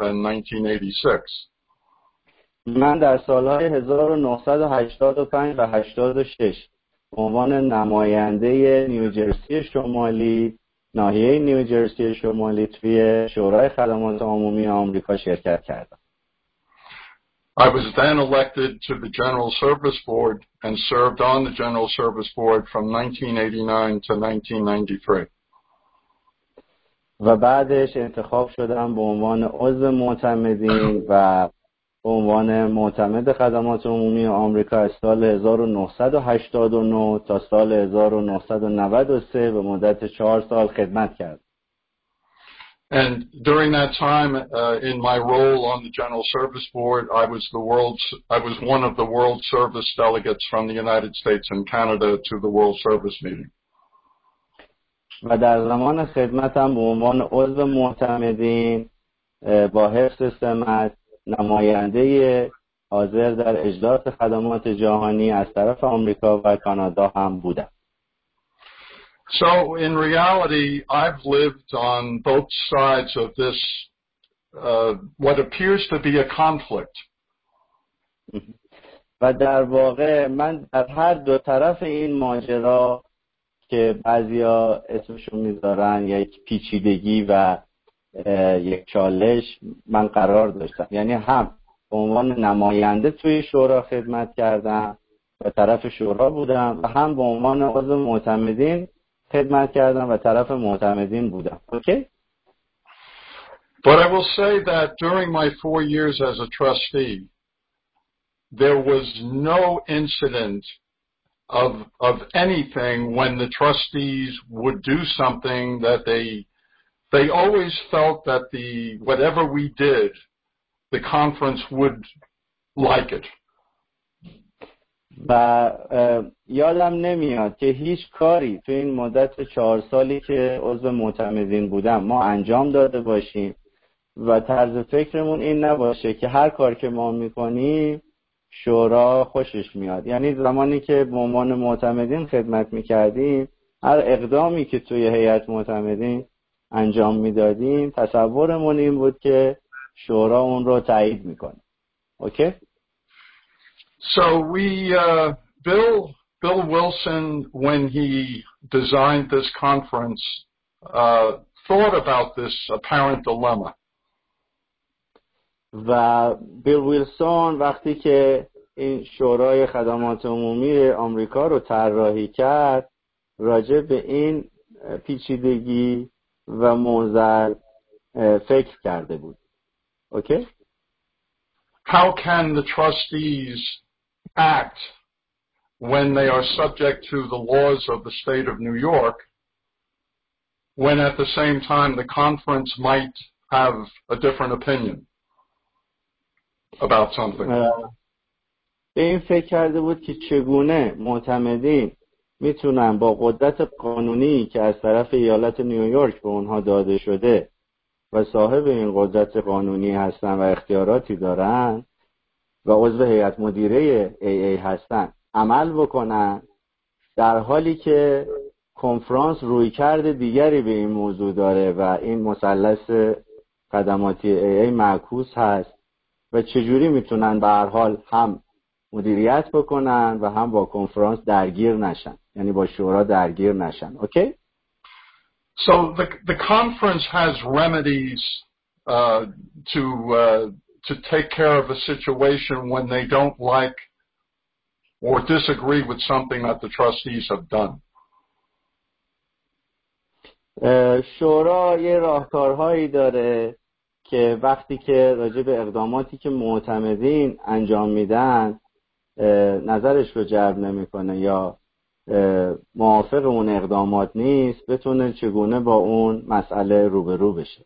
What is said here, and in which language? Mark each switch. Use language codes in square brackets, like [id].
[en] and 1986. [fa] من در سال‌های 1985 و 86 به عنوان نماینده نیوجرسی شمالی، ناحیه نیوجرسی شمالی توی شورای خدمات عمومی آمریکا شرکت کردم. [en] I was then elected to the General Service Board and served on the General Service Board from 1989 to 1993. [fa] و بعدش انتخاب شدم به عنوان عضو معتمدین و به عنوان معتمد خدمات عمومی آمریکا از سال 1989 تا سال 1993 به مدت 4 سال خدمت کردم. [en] And during that time, in my role on the General Service Board, I was one of the world service delegates from the United States and Canada to the World Service Meeting. [fa] و در زمان خدمتم به عنوان عضو معتمدین با حفظ سمت نماینده حاضر در اجلاس خدمات جهانی از طرف آمریکا و کانادا هم بودم. [en] So in reality, I've lived on both sides of this, what appears to be a conflict. [fa] و در واقع من در هر دو طرف این ماجرا که بعضیا اسمشو میذارن یک پیچیدگی و یک چالش، من قرار داشتم. یعنی هم به عنوان نماینده توی شورا خدمت کردم و طرف شورا بودم و هم به عنوان عضو معتمدین خدمت کردم و طرف معتمدین بودم. [en] Okay? But I will say that during my 4 years as a trustee, there was no incident of anything when the trustees would do something that they always felt that the whatever we did, the conference would like it. [fa] و یادم نمیاد که هیچ کاری تو این مدت 4 سالی که عضو معتمدین بودم ما انجام داده باشیم و طرز فکرمون این نباشه که هر کار که ما میکنیم شورا خوشش میاد. یعنی زمانی که به عنوان معتمدین خدمت میکردیم هر اقدامی که توی هیئت معتمدین انجام میدادیم تصورمون این بود که شورا اون رو تایید میکنه. [en] Okay? So we, Bill Wilson, when he designed this conference, thought about this apparent dilemma. [fa] و بیل ویلسون وقتی که این شورای خدمات عمومی آمریکا رو طراحی کرد، راجع به این پیچیدگی و موزل فکر کرده بود. [en] Okay? How can the trustees act when they are subject to the laws of the state of New York, when at the same time the conference might have a different opinion about something? [fa] به این فکر کرده بود که چگونه معتمدین میتونن با قدرت قانونی که از طرف ایالت نیویورک به اونها داده شده و صاحب این قدرت قانونی هستن و اختیاراتی دارن و عضو هیئت مدیره AA هستن عمل بکنن در حالی که کنفرانس روی کرده دیگری به این موضوع داره و این مثلث خدماتی AA معکوس هست و چجوری میتونن به هر حال هم مدیریت بکنن و هم با کنفرانس درگیر نشن، یعنی با شورا درگیر نشن. [en] Okay? So the conference has remedies to take care of a situation when they don't like or disagree with something that the trustees have done. [fa] شورا یه راهکارهایی داره که وقتی که راجع به اقداماتی که معتمدین انجام میدن نظرش رو جلب نمیکنه یا موافق اون اقدامات نیست بتونه چگونه با اون مسئله روبرو بشه.